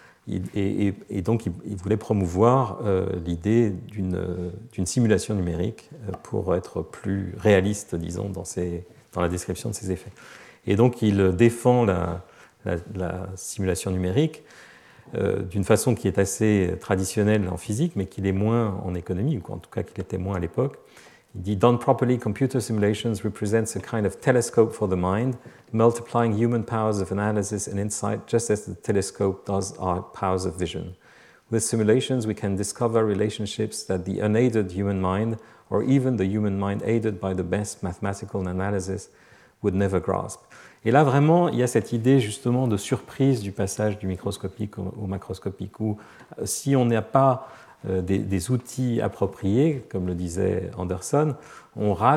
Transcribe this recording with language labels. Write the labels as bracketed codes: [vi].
[fr] Et donc, il voulait promouvoir l'idée d'une simulation numérique pour être plus réaliste, disons, dans la description de ces effets. Et donc, il défend la simulation numérique d'une façon qui est assez traditionnelle en physique, mais qui l'est moins en économie, ou en tout cas qu'il était moins à l'époque. Il dit [en] « Done properly, computer simulations represents a kind of telescope for the mind, multiplying human powers of analysis and insight just as the telescope does our powers of vision. With simulations, we can discover relationships that the unaided human mind, or even the human mind aided by the best mathematical analysis, would never grasp. [fr] » Et là, vraiment, il y a cette idée justement de surprise du passage du microscopique au macroscopique, où si on n'a pas des outils appropriés, comme le disait Anderson, on